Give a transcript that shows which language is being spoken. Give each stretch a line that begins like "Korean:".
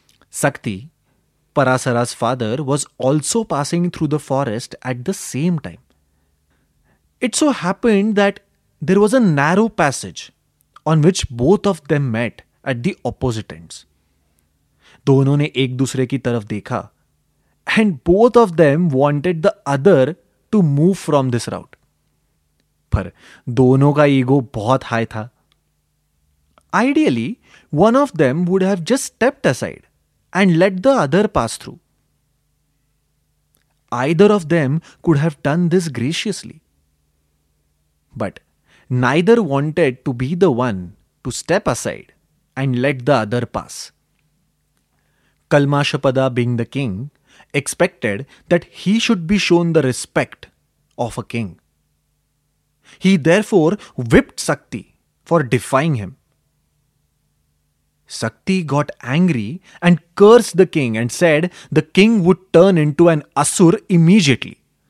English: Sakti, Parasara's father, was also passing through the forest at the same time. It so happened that there was a narrow passage on which both of them met at the opposite ends.
Hindi: दोनों ने एक दूसरे की तरफ देखा
English: And both of them wanted the other to move from this route.
Hindi: पर दोनों का ईगो बहुत हाई था.
English: Ideally one of them would have just stepped aside and let the other pass through. Either of them could have done this graciously, but neither wanted to be the one to step aside and let the other pass. Kalmashapada, being the king, expected that he should be shown the respect of a king. He therefore whipped Sakti for defying him. Sakti got angry and cursed the king and said the king would turn into an asur immediately.